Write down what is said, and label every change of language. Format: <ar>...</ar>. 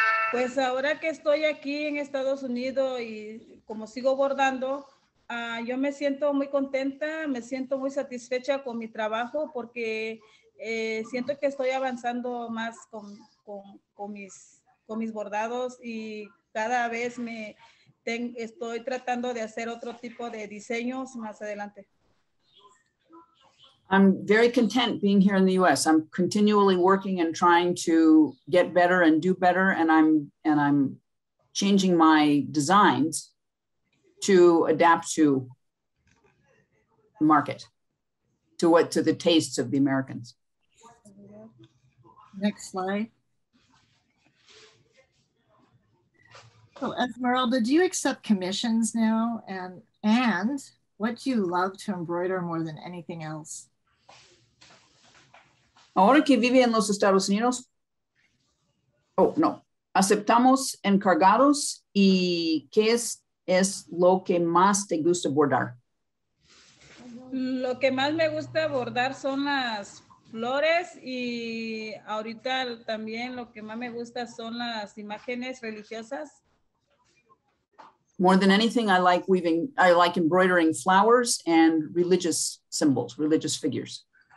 <es>Pues ahora que estoy aquí en Estados Unidos y como sigo bordando, yo me siento muy contenta, me siento muy satisfecha con mi trabajo porque siento que estoy avanzando más con mis bordados y cada vez estoy tratando de hacer otro tipo de diseños más adelante.</es> <en>I'm very content being here in the U.S. I'm continually working and trying to get better and do better, and I'm changing my designs to adapt to the market, to the tastes of the Americans. Next slide. So Esmeralda, do you accept commissions now? And what do you love to embroider more than anything else?</en> <es>Ahora que vive en los Estados Unidos, aceptamos encargados y qué es lo que más te gusta bordar. Lo que más me gusta bordar son las flores y ahorita también lo que más me gusta son las imágenes religiosas.</es> <en>More than anything, I like embroidering flowers and religious symbols, religious figures.</en>